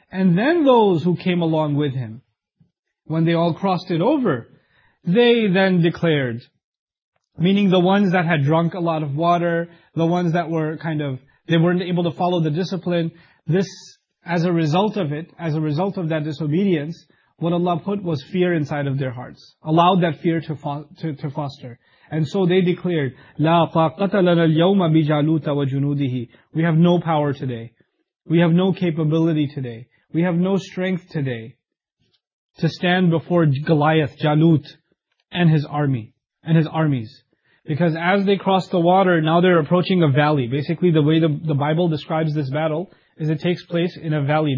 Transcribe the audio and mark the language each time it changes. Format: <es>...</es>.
<en>And then those who came along with him, when they all crossed it over, they then declared, meaning the ones that had drunk a lot of water, the ones that were kind of, they weren't able to follow the discipline. This, as a result of it, as a result of that disobedience, what Allah put was fear inside of their hearts. Allowed that fear to foster. And so they declared,</en> <ar>لَا طَاقَةَ لَنَا الْيَوْمَ بِجَالُوتَ وَجُنُودِهِ.</ar> <en>We have no power today. We have no capability today. We have no strength today to stand before Goliath, Jalut, and his army. And his armies. Because as they cross the water, now they're approaching a valley. Basically, the way the Bible describes this battle is it takes place in a valley.</en>